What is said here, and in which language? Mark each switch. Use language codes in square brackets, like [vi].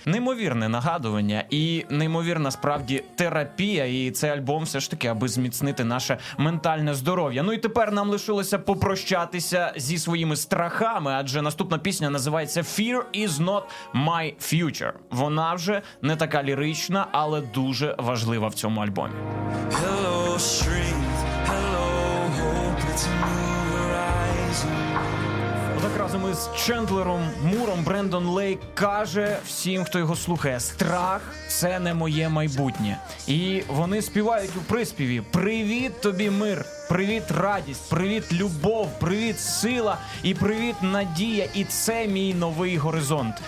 [uk] Неймовірне нагадування і неймовірна справді терапія, і цей альбом все ж таки, аби зміцнити наше ментальне здоров'я. Ну і тепер нам лишилося попрощатися зі своїми страхами, адже наступна пісня називається [en] Fear is not my future. [uk] Вона вже не така лірична, але дуже важлива в цьому альбомі. [en] Hello strength, hello hope, it's new horizon. [uk] Так разом із Чендлером Муром Брендон Лейк каже всім, хто його слухає: страх – це не моє майбутнє. І вони співають у приспіві: «Привіт тобі мир, привіт радість, привіт любов, привіт сила і привіт надія, і це мій новий горизонт.